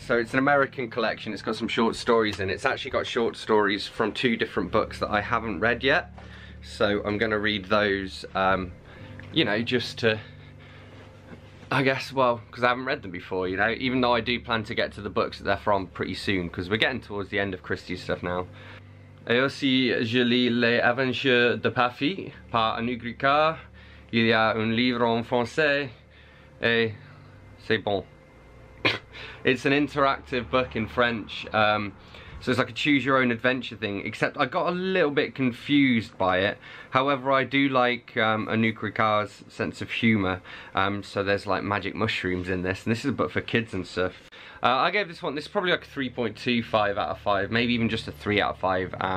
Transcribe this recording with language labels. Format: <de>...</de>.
<en>So it's an American collection. It's got some short stories in it. It's actually got short stories from two different books that I haven't read yet. So I'm going to read those, you know, just to, I guess, well, because I haven't read them before, you know, even though I do plan to get to the books that they're from pretty soon, because we're getting towards the end of Christie's stuff now.</en> <fr>Et aussi, je lis les Aventures de Pafy par Anouk, Ricard. Il y a un livre en français et c'est bon.</fr> <en>It's an interactive book in French. So it's like a choose your own adventure thing, except I got a little bit confused by it. However, I do like Anouk Ricard's sense of humour. So there's like magic mushrooms in this, and this is a book for kids and stuff. I gave this one, this is probably like a 3.25 out of 5, maybe even just a 3 out of 5.</en>